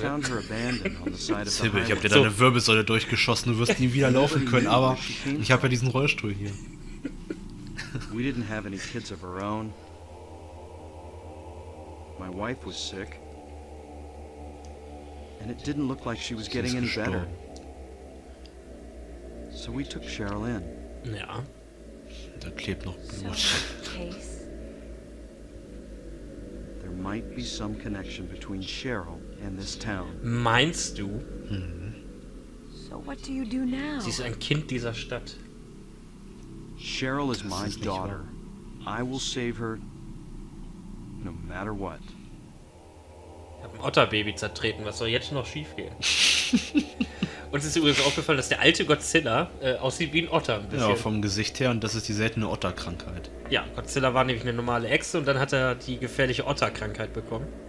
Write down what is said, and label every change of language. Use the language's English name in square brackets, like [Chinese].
[German] Sibyl, ich habe dir deine Wirbelsäule durchgeschossen. Du wirst nie wieder laufen können, aber ich habe ja diesen Rollstuhl hier. [English] We didn't have any kids of our own. My wife was sick. And it didn't look like she was getting any better. So we took Cheryl in. Ja. [German] Da klebt noch Blut. [English] There might be some connection between Cheryl and this town. [German] Meinst du? [English] Mhm. So what do you do now? [German] Sie ist ein Kind dieser Stadt. [English] Cheryl is my daughter. I will save her no matter what. [German] Ich hab ein Otterbaby zertreten, was soll jetzt noch schief gehen? Uns ist übrigens aufgefallen, dass der alte Godzilla aussieht wie ein Otter ein bisschen. Ja, vom Gesicht her, und das ist die seltene Otterkrankheit. Ja, Godzilla war nämlich eine normale Echse und dann hat er die gefährliche Otterkrankheit bekommen.